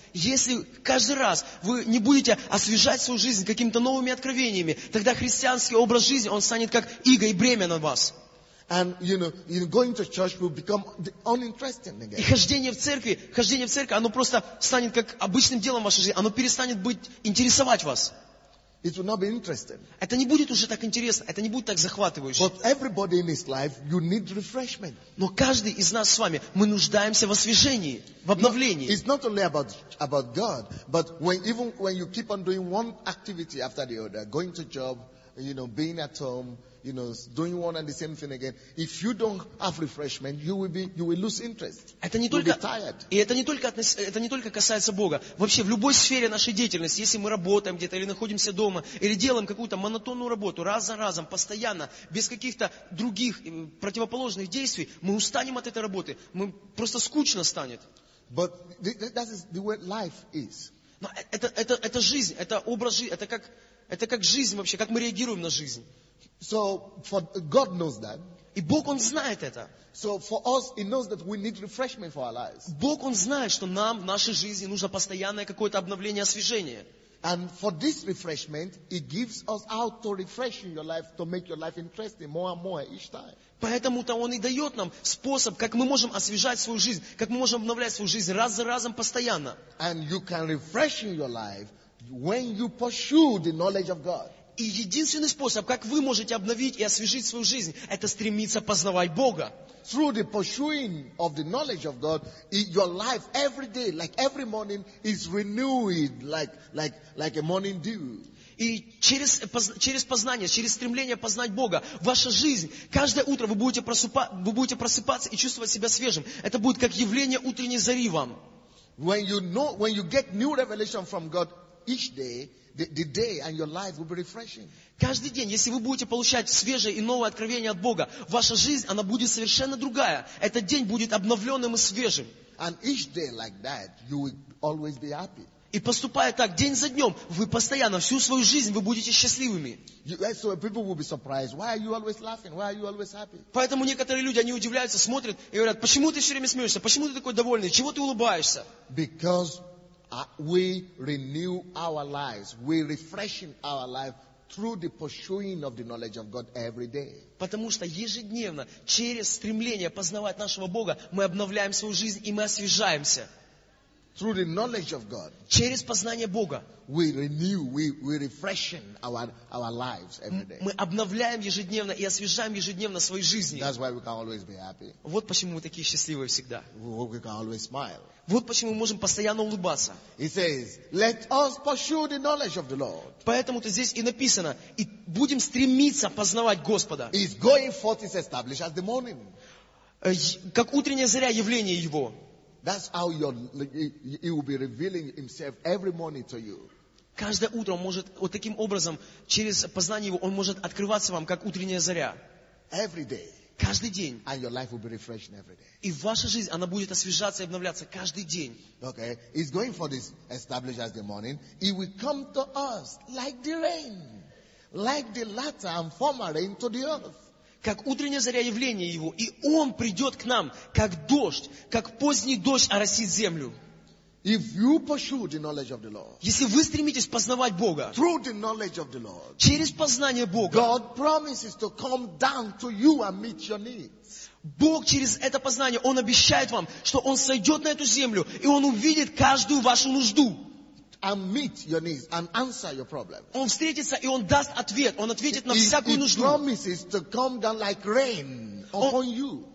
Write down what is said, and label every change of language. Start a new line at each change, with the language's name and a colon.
Russian: Если каждый раз вы не будете освежать свою жизнь какими-то новыми откровениями, тогда христианский образ жизни, он станет как иго и бремя на вас.
English: And you know, going to church will become uninteresting again.
Russian: И хождение в церкви, оно просто станет как обычным делом в вашей жизни. Оно перестанет интересовать вас.
English: It will not be interesting.
Russian: Это не будет уже так интересно. Это не будет так захватывающе.
English: But everybody in his life, you need refreshment.
Russian: Но каждый из нас с вами, мы нуждаемся в освежении, в обновлении.
English: It's not only about God, but when you keep on doing one activity after the other, going to job, you know, being at home. You know, doing one and the same thing again. If you don't have refreshment, you will lose interest.
Russian: Это не только касается Бога. Вообще в любой сфере нашей деятельности, если мы работаем где-то или находимся дома или делаем какую-то монотонную работу раз за разом, постоянно без каких-то других противоположных действий, мы устанем от этой работы. Мы просто скучно станет.
English: But that is the way life is.
Russian: Но это жизнь, это образ жизни, это как жизнь вообще, как мы реагируем на жизнь.
English: So for God knows that.
Russian: И Бог, он знает это.
English: So for us, he knows that we need refreshment for our lives.
Russian: Бог, он знает, что нам в нашей жизни нужно постоянное какое-то обновление, освежение.
English: And for this refreshment, he gives us how to refresh your life to make your life interesting more and more each time.
Russian: Поэтому-то он и дает нам способ, как мы можем освежать свою жизнь, как мы можем обновлять свою жизнь раз за разом постоянно.
English: And you can refresh your life when you pursue the knowledge of God.
Russian: И единственный способ, как вы можете обновить и освежить свою жизнь, это стремиться познавать Бога.
English: Through the pursuing of the knowledge of God, your life every day, like every morning, is renewed like a morning dew.
Russian: И через познание, через стремление познать Бога, ваша жизнь, каждое утро вы будете просыпаться и чувствовать себя свежим. Это будет как явление утренней зари вам.
English: When you get new revelation from God each day, the day and your life will be refreshing.
Russian: Каждый день, если вы будете получать свежее и новое откровение от Бога, ваша жизнь, она будет совершенно другая. Этот день будет обновленным и свежим.
English: And each day like that, you will always be happy.
Russian: И поступая так, день за днем, вы постоянно, всю свою жизнь, вы будете счастливыми.
English: So people will be surprised. Why are you always laughing? Why are you always happy?
Russian: Поэтому некоторые люди, они удивляются, смотрят и говорят, почему ты все время смеешься? Почему ты такой довольный? Чего ты улыбаешься?
English: Because we renew our lives, we refreshing our life through the pursuing of the knowledge of God every day.
Russian: Потому что ежедневно через стремление познавать нашего Бога мы обновляем свою жизнь и мы освежаемся.
English: through the knowledge of God,
Russian: через познание Бога,
English: we renew, we refreshing our lives every day.
Russian: Мы обновляем ежедневно и освежаем ежедневно свои жизни.
English: That's why we can always be happy.
Russian: Вот почему мы такие счастливые всегда.
English: We can always smile.
Russian: Вот почему мы можем постоянно улыбаться.
English: He says, "Let us pursue the knowledge of the Lord."
Russian: Поэтому-то здесь и написано, и будем стремиться познавать Господа.
English: He's going forth is established as the morning.
Russian: Как утренняя заря явление Его.
English: That's how he will be revealing himself every morning to you.
Russian: Каждое утро он может вот таким образом через познание Его он может открываться вам как утренняя заря.
English: Every day.
Russian: Каждый день.
English: And your life will be refreshed every day.
Russian: И ваша жизнь она будет освежаться и обновляться каждый день.
English: Okay, he's going for this established as the morning. He will come to us like the rain, like the latter and former rain to the earth.
Russian: Как утренняя заря явление Его, и Он придет к нам, как дождь, как поздний дождь оросит землю.
English: If you pursue the knowledge of the Lord,
Russian: если вы стремитесь познавать Бога,
English: through the knowledge of the Lord,
Russian: через познание Бога,
English: God promises to come down to you and meet your needs.
Russian: Бог через это познание, Он обещает вам, что Он сойдет на эту землю, и Он увидит каждую вашу нужду.
English: And meet your needs and answer your problems.
Russian: Он встретится и он даст ответ. Он ответит на всякую нужду.
English: He promises to come down like rain upon you.